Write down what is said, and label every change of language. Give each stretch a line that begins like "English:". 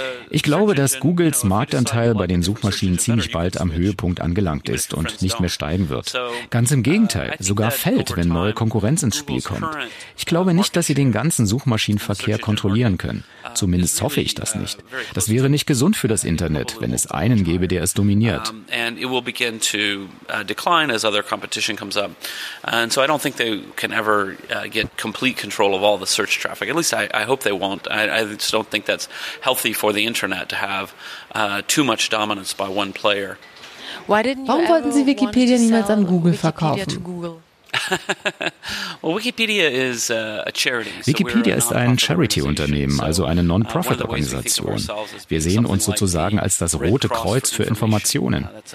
German: Ich glaube, dass Googles Marktanteil bei den Suchmaschinen ziemlich bald am Höhepunkt angelangt ist und nicht mehr steigen wird. Ganz im Gegenteil, sogar fällt, wenn neue Konkurrenz ins Spiel kommt. Ich glaube nicht, dass sie den ganzen Suchmaschinenverkehr kontrollieren können. Zumindest hoffe ich das nicht. Das wäre nicht gesund für das Internet, wenn es einen gäbe, der es dominiert.
English: Decline as other competition comes up. And so I don't think they can ever get complete control of all the search traffic. At least I hope they won't. I just don't think that's healthy for the internet to have too much dominance by one player.
German: Warum wollten Sie Wikipedia niemals an Google verkaufen? Wikipedia ist ein Charity-Unternehmen, also eine Non-Profit-Organisation. Wir sehen uns sozusagen als das Rote Kreuz für Informationen.